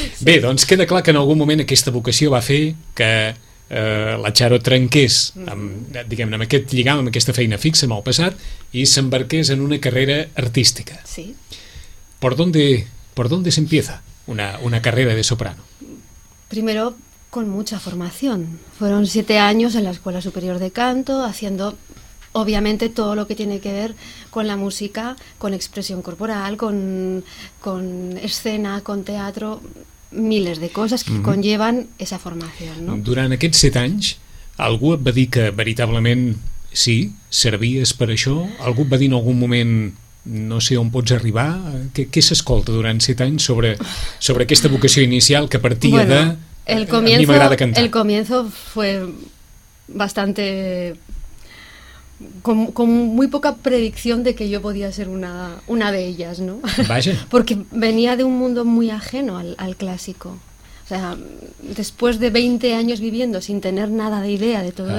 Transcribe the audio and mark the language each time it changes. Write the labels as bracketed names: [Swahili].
[Catalan] Bé, doncs queda clar que en algun moment aquesta vocació va fer que la Charo trenqués amb aquest lligam, amb aquesta feina fixa, amb el passat, i s'embarqués en una carrera artística. Sí. [Spanish] ¿Por dónde se empieza una carrera de soprano? Primero, con mucha formación. Fueron 7 años en la Escuela Superior de Canto, haciendo obviamente todo lo que tiene que ver con la música, con expresión corporal, con escena, con teatro, miles de cosas que mm-hmm. conllevan esa formación, ¿no? [Catalan] Durant aquests 7 anys, algú et va dir que veritablement sí, servies per això? Algú et va dir en algun moment, no sé on pots arribar? Què s'escolta durant 7 anys sobre aquesta vocació inicial que partia [Spanish] bueno, de... El comienzo fue bastante... Con muy poca predicción de que yo podía ser una de ellas, ¿no? Vaya. Porque venía de un mundo muy ajeno al clásico. O sea, después de 20 años viviendo sin tener nada de idea de todo uh-huh.